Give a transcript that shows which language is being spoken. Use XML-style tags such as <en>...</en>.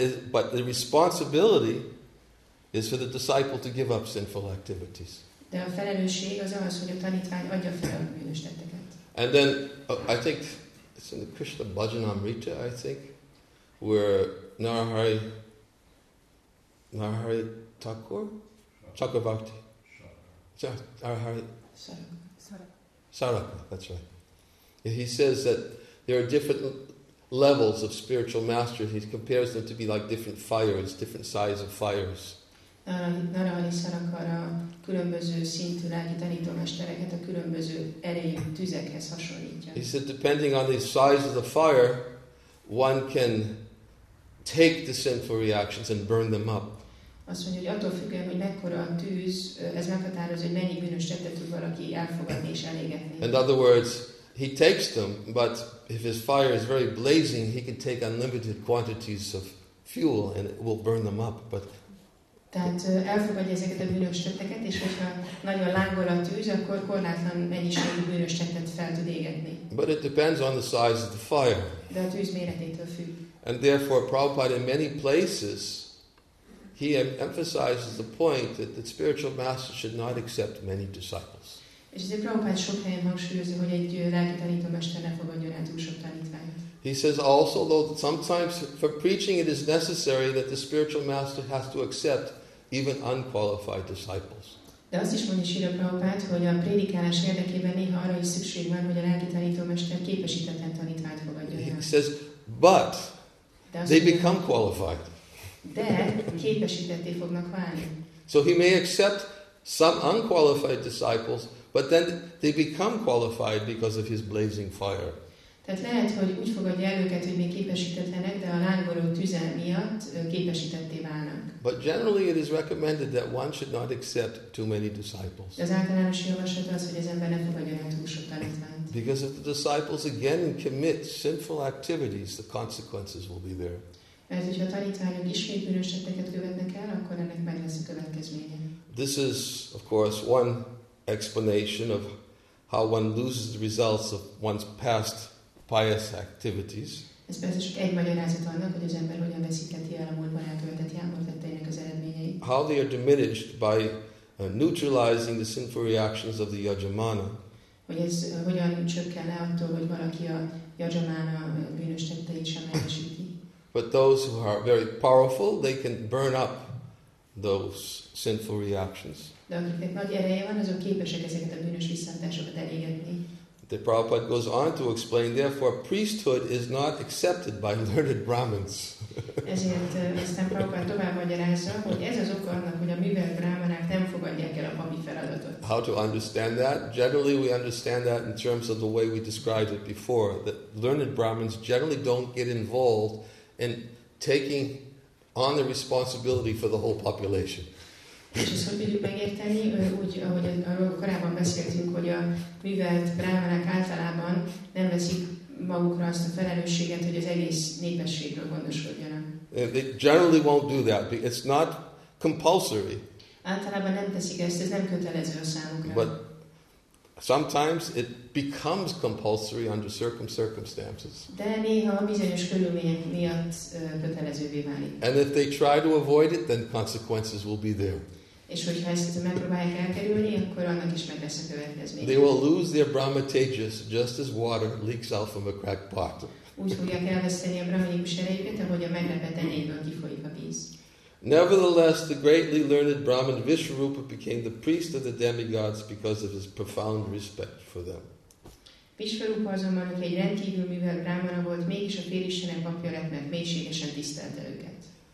<en>But the responsibility is for the disciple to give up sinful activities.</en> <hu>De a felelősség az az, hogy a tanítvány adja fel a bűnös tetteket.</hu> <en>And then I think it's in the Krishna Bhajanamrita, I think, where Narahari Thakur, Chakravarti, Narahari Saraka, that's right. And he says that there are different levels of spiritual mastery. He compares them to be like different fires, different size of fires.</en> <hu>Narahari Sarakara különböző szintű lelki tanítómestereket a különböző erejű tüzekhez hasonlítja.</hu> <en>He said, depending on the size of the fire, one can take the sinful reactions and burn them up.</en> <hu>Azt mondja, hogy attól függően, hogy mekkora a tűz, ez meghatározza, hogy mennyi bűnös tettet tud valaki elfogadni és elégetni.</hu> <en>In other words, he takes them, but if his fire is very blazing, he can take unlimited quantities of fuel and it will burn them up. But</en> <hu>tehát elfogadja ezeket a bűnös tetteket, és hogyha nagyon lángol a tűz, akkor korlátlan mennyiségű bűnös tettet fel tud égetni.</hu> <en>But it depends on the size of the fire.</en> <hu>De a tűz méretétől függ.</hu> <en>And therefore, Prabhupada in many places, he emphasizes the point that the spiritual master should not accept many disciples.</en> <hu>És ezért Prabhupada sok helyen hangsúlyozza, hogy egy lelki tanítómester ne fogadjon el túl sok tanítványt.</hu> <en>He says also, though, that sometimes for preaching it is necessary that the spiritual master has to accept even unqualified disciples.</en> <hu>De azt is mondja Srila Prabhupada, hogy a prédikálás érdekében néha arra is szükség van, hogy a lelki tanítómester képesítetlen tanítványt fogadjon el.</hu> <en>He says, but they become qualified.</en> <hu>De képesítetté fognak válni.</hu> <en>So he may accept some unqualified disciples, but then they become qualified because of his blazing fire.</en> <hu>Tehát lehet, hogy úgy fogadja el őket, hogy még képesítetlenek, de a lángoló tüzel miatt képesítetté válnak.</hu> <en>But generally it is recommended that one should not accept too many disciples.</en> <hu>De az általános javaslat az, hogy az ember ne fogadjon el túl sok tanítványt.</hu> <en>Because if the disciples again commit sinful activities, the consequences will be there.</en> <hu>Mert hogyha a tanítványok ismét bűnös tetteket követnek el, akkor ennek meg lesz a következménye.</hu> <en>This is, of course, one explanation of how one loses the results of one's past pious activities.</en> <hu>Ez persze csak egy magyarázat annak, hogy az ember hogyan veszíteti el a múltban elkövetett jámbor tetteinek az eredményeit.</hu> <en>How they are diminished by neutralizing the sinful reactions of the yajamana.</en> <hu>Hogy ez hogyan csökken le attól, hogy valaki a yajamana bűnös tetteit sem erősíti.</hu> <en>But those who are very powerful, they can burn up those sinful reactions.</en> <hu>De akiknek nagy ereje van, azok képesek ezeket a bűnös visszahatásokat elégetni.</hu> <en>The Prabhupada goes on to explain, therefore, priesthood is not accepted by learned Brahmins.</en> <hu>Ezért aztán Prabhupada tovább magyarázza, hogy ez az oka annak, hogy a művelt brahmanák nem fogadják el a papi feladatot.</hu> <en>How to understand that? Generally, we understand that in terms of the way we described it before, that learned Brahmins generally don't get involved and taking on the responsibility for the whole population.</en> <hu>És ezt hogy tudjuk megérteni, úgy, ahogy arról korábban beszéltünk, hogy a művelt brahmanák általában nem veszik magukra azt a felelősséget, hogy az egész népességről gondoskodjanak.</hu> <en>They generally won't do that. It's not compulsory.</en> <hu>Általában nem teszik ezt, ez nem kötelező a számukra.</hu> <en>But sometimes it becomes compulsory under certain circumstances.</en> <hu>De néha bizonyos körülmények miatt kötelezővé válik.</hu> <en>And if they try to avoid it, then consequences will be there.</en> <hu>És hogyha ezt megpróbálják elkerülni, akkor annak is meg lesz a következménye.</hu> <en>They will lose their Brahma Tejas just as water leaks out from a cracked pot.</en> <hu>Úgy fogják elveszteni a brahmanikus erejüket, ahogy a meglepet enyéből kifolyik a víz.</hu> <en>Nevertheless, the greatly learned Brahmin Vishwarupa became the priest of the demigods because of his profound respect for them.</en> <hu>Vishwarupa azonban, aki egy rendkívül művel brahmana volt, mégis a félistenek papja lett, mert mélységesen tisztelte őket.</hu>